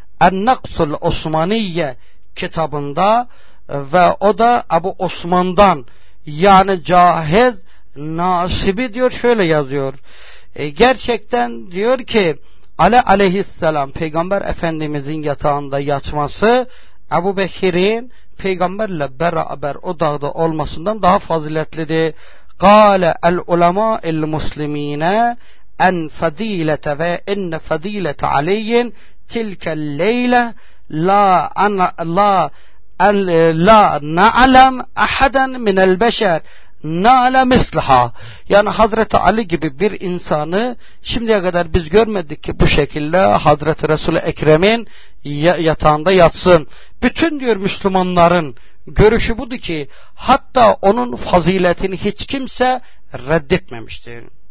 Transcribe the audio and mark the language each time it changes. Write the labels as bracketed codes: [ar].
[tr] En-Naqsul Osmaniye kitabında ve o da Ebu Osman'dan, yani Cahiz Nasibi diyor, şöyle yazıyor. Gerçekten diyor ki Ali Aleyhisselam Peygamber Efendimizin yatağında yatması Ebu Bekir'in peygamberle beraber o dağda olmasından daha faziletlidi. [ar] قال العلماء المسلمين ان فضيله وان فضيله علي تلك الليله لا انا لا لا نعلم احدا من البشر نال مثلها. [tr] Yani Hazreti Ali gibi bir insanı şimdiye kadar biz görmedik ki bu şekilde Hazreti Resul-i Ekrem'in yatağında yatsın. Bütün diyor Müslümanların görüşü budu ki hatta onun faziletini hiç kimse reddetmemişti.